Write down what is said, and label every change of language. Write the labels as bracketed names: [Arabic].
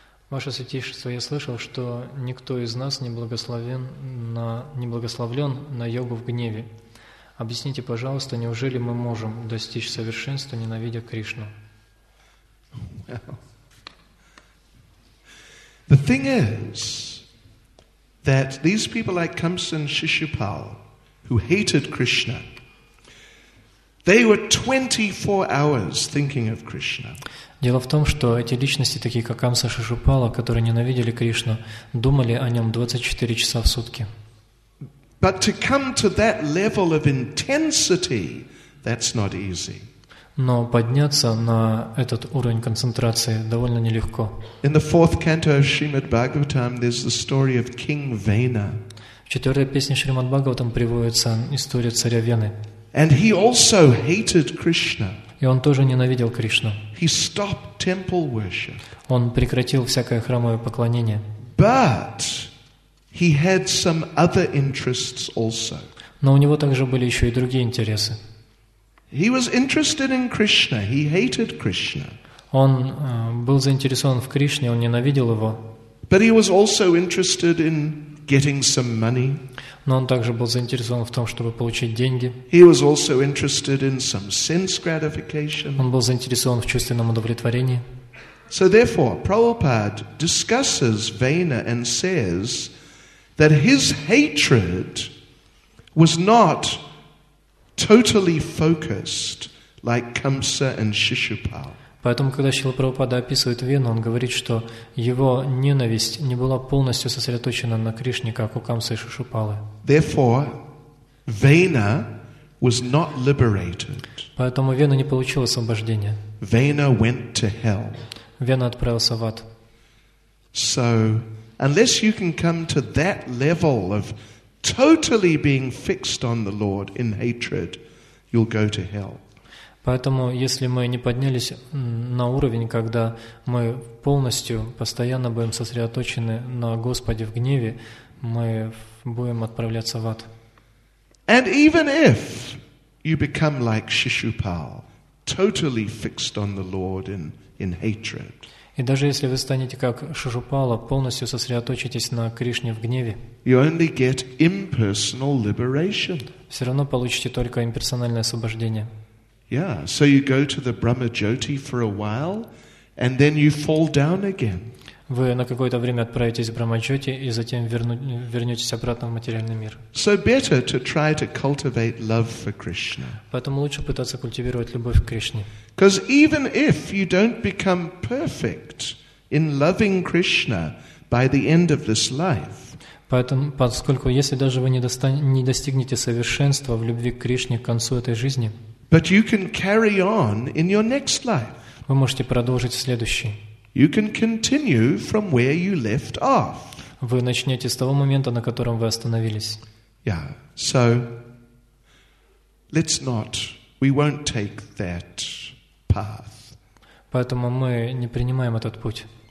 [Russian] Ваше святейшество, я слышал, что никто из нас не благословлен на йогу в гневе. Объясните, пожалуйста, неужели мы можем достичь совершенства, ненавидя Кришну? [English] Well, the thing is that these people like Kamsa and Shishupal, who hated Krishna, they were 24 hours thinking of Krishna. [Russian] Дело в том, что эти личности, такие как Камса Шишупала, которые ненавидели Кришну, думали о нем 24 часа в сутки. [English] But to come to that level of intensity, that's not easy. [Russian] Но подняться на этот уровень концентрации довольно нелегко. [English] In the fourth canto of Srimad Bhagavatam, there's the story of King Vena. [Russian] В четвертой песне Шримад Бхагаватам приводится история царя Вены. [English] And he also hated Krishna. [Russian] И он тоже ненавидел Кришну. [English] He stopped temple worship. [Russian] Он прекратил всякое храмовое поклонение. [English] But he had some other interests also. [Russian] Но у него также были еще и другие интересы. [English] He was interested in Krishna. He hated Krishna. [Russian] Он был заинтересован в Кришне, он ненавидел его. [English] But he was also interested in getting some money. [Russian] Но он также был заинтересован в том, чтобы получить деньги. [English] He was also interested in some sense gratification. [Russian] Он был заинтересован в чувственном удовлетворении. [English] So therefore, Prabhupada discusses Vena and says that his hatred was not totally focused like Kamsa and Shishupal. [Russian] Поэтому, когда Шрила Прабхупада описывает Вену, он говорит, что его ненависть не была полностью сосредоточена на Кришне, как у Камсы и Шишупалы. [English] Therefore, Vena was not liberated. [Russian] Поэтому Вена не получила освобождения. [English] Vena went to hell. [Russian] Вена отправился в ад. [English] So, unless you can come to that level of totally being fixed on the Lord in hatred, you'll go to hell. [Russian] Поэтому, если мы не поднялись на уровень, когда мы полностью, постоянно будем сосредоточены на Господе в гневе, мы будем отправляться в ад. [English] And even if you become like Shishupal, totally fixed on the Lord in hatred. [Russian] И даже если вы станете как Шишупала, полностью сосредоточитесь на Кришне в гневе, [English] you only get impersonal liberation. [Russian] Все равно получите только имперсональное освобождение. [English] Yeah, so you go to the Brahma Jyoti for a while, and then you fall down again. [Russian] Вы на какое-то время отправитесь в Брахма Джоти и затем вернетесь обратно в материальный мир. [English] So better to try to cultivate love for Krishna. [Russian] Поэтому лучше пытаться культивировать любовь к Кришне. [English] Because even if you don't become perfect in loving Krishna by the end of this life. [Russian] Поэтому, поскольку если даже вы не достигнете совершенства в любви к Кришне к концу этой жизни. [English] But you can carry on in your next life. [Russian] Вы можете продолжить в следующей. [English] You can continue from where you left off. [Russian] Вы начнете с того момента, на котором вы остановились. [English] Yeah. So we won't take that path. [Russian] Поэтому мы не принимаем этот путь.